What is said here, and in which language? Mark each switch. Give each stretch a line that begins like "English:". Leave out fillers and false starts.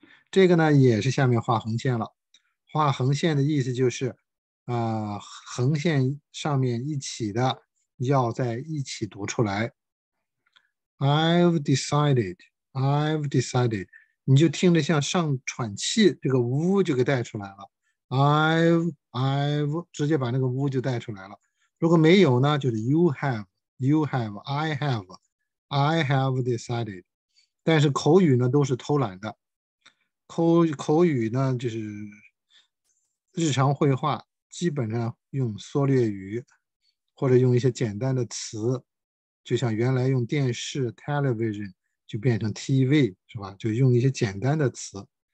Chinese: 这个呢也是下面画横线了。画横线的意思就是，横线上面一起的要在一起读出来。
English: I've decided. I've decided.
Chinese: 你就听着像上喘气，这个呜就给带出来了。 I've 直接把那个呜就带出来了。如果没有呢，就是
English: you have, you have, I have, I have decided.
Chinese: 但是口语呢都是偷懒的。口语呢就是日常会话，基本上用缩略语或者用一些简单的词。就像原来用电视 television 就变成 TV 是吧，就用一些简单的词。